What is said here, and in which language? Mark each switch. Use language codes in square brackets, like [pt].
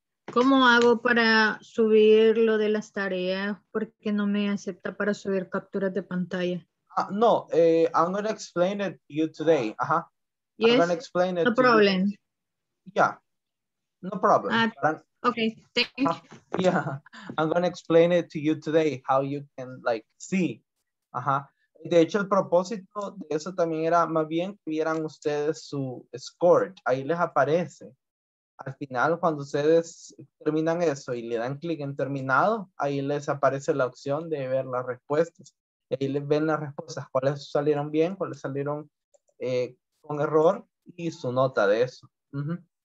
[es] ¿Cómo hago para subir lo de las tareas? Porque no me acepta para subir capturas de pantalla. [en] No, I'm going to explain it to you today. Uh-huh. Yes? I'm going to explain it no to problem. You. Yeah. No problem. Okay, thank you. Yeah, I'm going to explain it to you today, how you can, like, see. Ajá. [es] De hecho, el propósito de eso también era más bien que vieran ustedes su score. Ahí les aparece. Al final, cuando ustedes terminan eso y le dan clic en terminado, ahí les aparece la opción de ver las respuestas. Y ahí les ven las respuestas, cuáles salieron bien, cuáles salieron con error y su nota de eso. Uh-huh.